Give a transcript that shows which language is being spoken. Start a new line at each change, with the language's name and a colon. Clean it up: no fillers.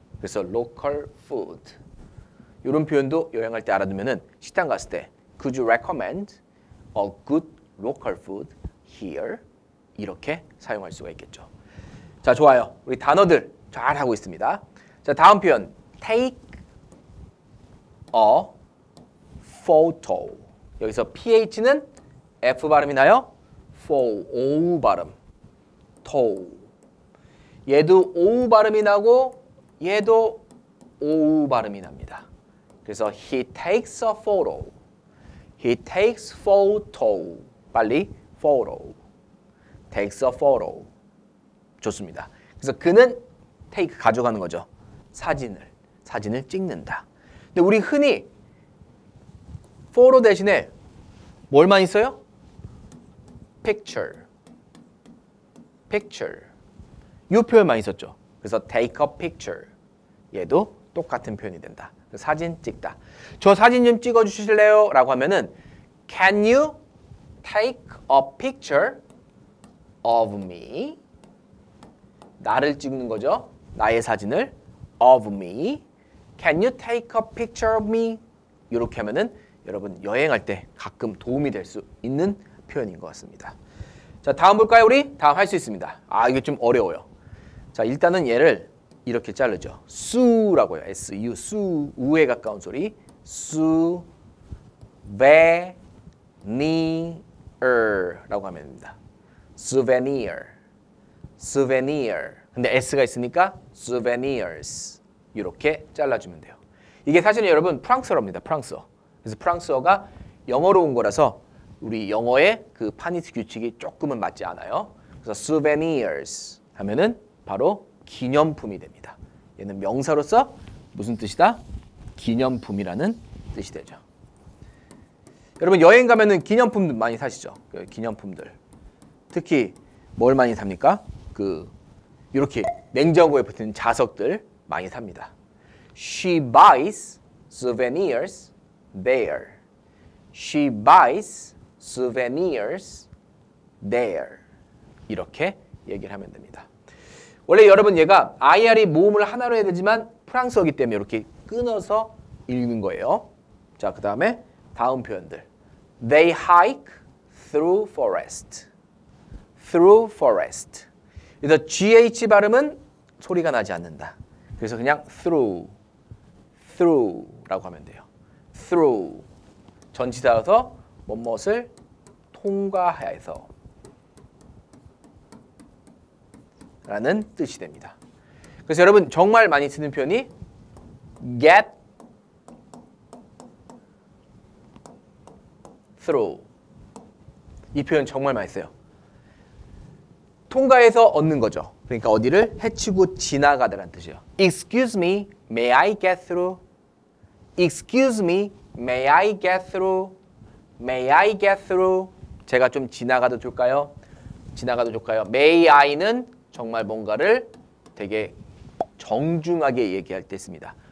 Korean: 그래서 local food 이런 표현도 여행할 때 알아두면은 식당 갔을 때
English: Could you recommend a good local food here?
Korean: 이렇게 사용할 수가 있겠죠. 자, 좋아요. 우리 단어들 잘 하고 있습니다. 자, 다음 표현
English: Take a photo.
Korean: 여기서 PH는 F 발음이 나요? FO 발음 TO 얘도 O 발음이 나고 얘도 오우 발음이 납니다. 그래서
English: he takes a photo. He takes photo.
Korean: 빨리
English: photo. takes a photo. 좋습니다.
Korean: 그래서 그는 take 가져가는 거죠. 사진을 찍는다. 근데 우리 흔히 photo 대신에 뭘 많이 써요? picture. picture. 이 표현 많이 썼죠. 그래서
English: take a picture.
Korean: 얘도 똑같은 표현이 된다. 사진 찍다. 저 사진 좀 찍어주실래요? 라고 하면은
English: Can you take a picture of me?
Korean: 나를 찍는 거죠. 나의 사진을
English: of me. Can you take a picture of me?
Korean: 이렇게 하면은 여러분 여행할 때 가끔 도움이 될 수 있는 표현인 것 같습니다. 자, 다음 볼까요? 우리 다음 할 수 있습니다. 아, 이게 좀 어려워요. 자, 일단은 얘를 이렇게 자르죠. 수라고요. SU, 수, 우에 가까운 소리. 수, 베, 니, 어라고 하면 됩니다. 수베니어, 수베니어. 근데 S가 있으니까 souvenirs 이렇게 잘라주면 돼요. 이게 사실은 여러분 프랑스어입니다. 프랑스어. 그래서 프랑스어가 영어로 온 거라서 우리 영어의 그 파니스 규칙이 조금은 맞지 않아요. 그래서 souvenirs 하면은 바로 기념품이 됩니다. 얘는 명사로서 무슨 뜻이다? 기념품이라는 뜻이 되죠. 여러분 여행 가면은 기념품들 많이 사시죠. 그 기념품들. 특히 뭘 많이 삽니까? 그 이렇게 냉장고에 붙은 자석들 많이 삽니다.
English: She buys souvenirs there. She buys souvenirs there.
Korean: 이렇게 얘기를 하면 됩니다. 원래 여러분 얘가 IR이 모음을 하나로 해야 되지만 프랑스어이기 때문에 이렇게 끊어서 읽는 거예요. 자, 그 다음에 다음 표현들.
English: They hike through forest. Through forest.
Korean: 그래서 GH 발음은 소리가 나지 않는다. 그래서 그냥 through. Through라고 하면 돼요. Through. 전치사여서 뭣뭣을 통과해서 라는 뜻이 됩니다. 그래서 여러분 정말 많이 쓰는 표현이 get through. 이 표현 정말 많이 써요. 통과해서 얻는 거죠. 그러니까 어디를 헤치고 지나가다라는 뜻이에요.
English: Excuse me, may I get through? Excuse me, may I get through? May I get through?
Korean: 제가 좀 지나가도 좋을까요? 지나가도 좋을까요? May I는 정말 뭔가를 되게 정중하게 얘기할 때 있습니다.